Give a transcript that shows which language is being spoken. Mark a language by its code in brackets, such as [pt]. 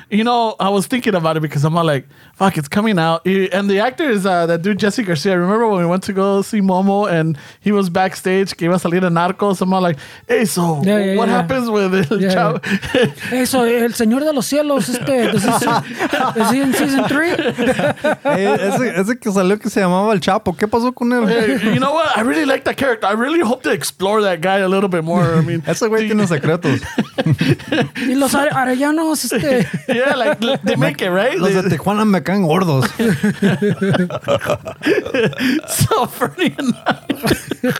[en] You know, I was thinking about it because I'm all like, fuck, it's coming out. And the actor is that dude, Jesse Garcia. I remember when we went to go see Momo and he was backstage, [es] que iba a salir a Narcos. [en] I'm all like, hey, so what happens with El Chavo? Hey, so El Señor de los Cielos, is he in season 3? [es] Hey, ese que salió que se llamaba El Chapo, ¿qué pasó con él? [en] You know what? I really like that character. I really hope to explore that guy a little bit more. I mean, [es] ese güey tiene secretos. Y los arellanos, [en] Yeah, like, they make it, right? [es] Los de Tijuana me caen gordos. [en] So funny enough.